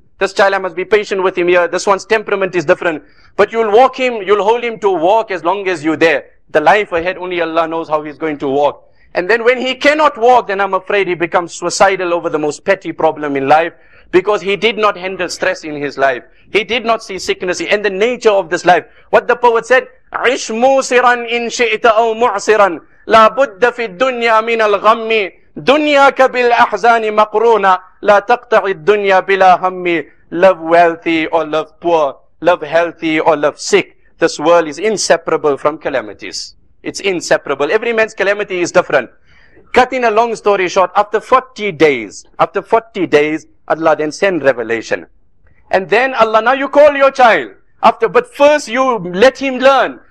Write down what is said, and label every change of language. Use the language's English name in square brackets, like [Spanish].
[English] This child, I must be patient with him here. This one's temperament is different. But you'll walk him, you'll hold him to walk as long as you're there. The life ahead, only Allah knows how he's going to walk. And then when he cannot walk, then I'm afraid he becomes suicidal over the most petty problem in life. Because he did not handle stress in his life. He did not see sickness and the nature of this life. What the poet said, [Arabic] عِشْ مُوسِرًا إِنْ شِئْتَ أَوْ مُعْسِرًا لَا بُدَّ فِي الدُّنْيَا مِنَ الْغَمِّ دُنْيَاكَ بِالْأَحْزَانِ مَقْرُونَ لَا تَقْطَعِ الدُّنْيَا بِلَا هَمِّ [English] Love wealthy or love poor. Love healthy or love sick. This world is inseparable from calamities. It's inseparable. Every man's calamity is different. Cutting a long story short, after 40 days, Allah then send revelation. And then Allah, now you call your child. But first you let him learn.